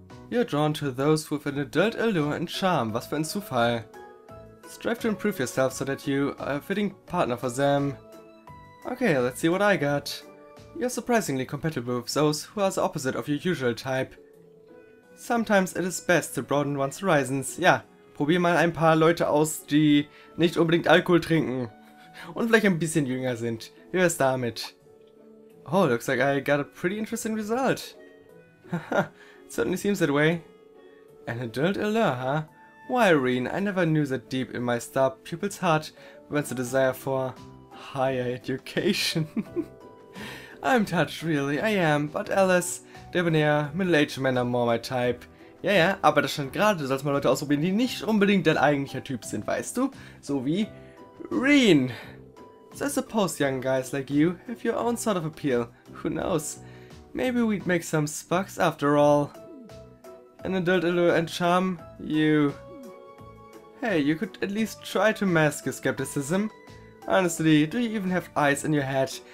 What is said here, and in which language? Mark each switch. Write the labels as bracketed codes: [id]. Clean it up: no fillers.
[en] You're drawn to those with an adult allure and charm. [de] Was für ein Zufall. [en] Strive to improve yourself so that you are a fitting partner for them. Okay, let's see what I got. You're surprisingly compatible with those who are the opposite of your usual type. Sometimes it is best to broaden one's horizons. [de] Ja, probier mal ein paar Leute aus, die nicht unbedingt Alkohol trinken. Und vielleicht ein bisschen jünger sind. Wie wär's damit? [en] Oh, looks like I got a pretty interesting result. Haha, certainly seems that way. An adult allure, huh? Why, Irene, I never knew that deep in my star pupil's heart burns a desire for higher education. I'm touched, really, I am, but Alice, debonair, middle-aged men are more my type. [de] Ja, ja, aber das stand gerade, du sollst mal Leute ausprobieren, die nicht unbedingt dein eigentlicher Typ sind, weißt du? So wie Irene. [en] So I suppose young guys like you have your own sort of appeal. Who knows? Maybe we'd make some sparks after all. An adult allure and charm, you... Hey, you could at least try to mask your skepticism. Honestly, do you even have eyes in your head?